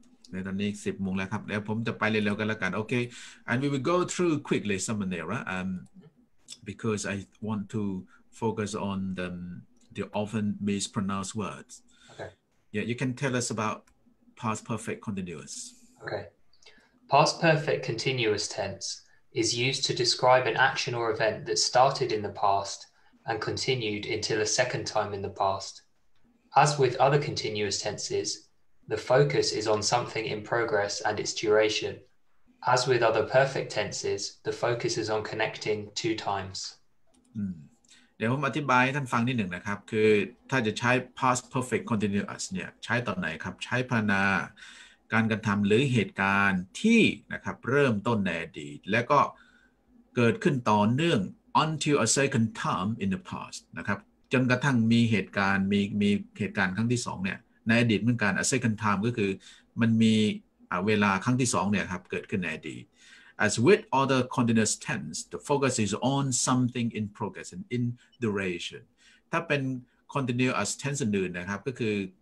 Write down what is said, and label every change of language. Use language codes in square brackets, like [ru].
[th] ในตอนนี้10โมงแล้วครับเดี๋ยวผมจะไปเร็วๆกันแล้วกันโอเค [en] and we will go through quickly Samanera because I want to focus on the often mispronounced words okay yeah you can tell us about past perfect continuous okay past perfect continuous tense is used to describe an action or event that started in the past and continued until a second time in the past as with other continuous tenses The focus is on something in progress and its duration. As with other perfect tenses, the focus is on connecting two times. [th] เดี๋ยวผมอธิบายให้ท่านฟังนิดหนึ่งนะครับคือถ้าจะใช้ past perfect continuous เนี่ยใช้ตอนไหนครับใช้พรรณนาการกระทำหรือเหตุการณ์ที่นะครับเริ่มต้นในอดีตแล้วก็ เกิดขึ้นต่อเนื่อง [en] until a second time in the past [th] นะครับจนกระทั่งมีเหตุการณ์มีเหตุการณ์ครั้งที่สองเนี่ยในอดีตเหมือนกัน a second time ก็คือมันมีเวลาครั้งที่สองเนี่ยครับเกิดขึ้นในอดีต [en] as with other continuous tense the focus is on something in progress and in duration [th] ถ้าเป็น continuous tense อื่นนะครับก็คือ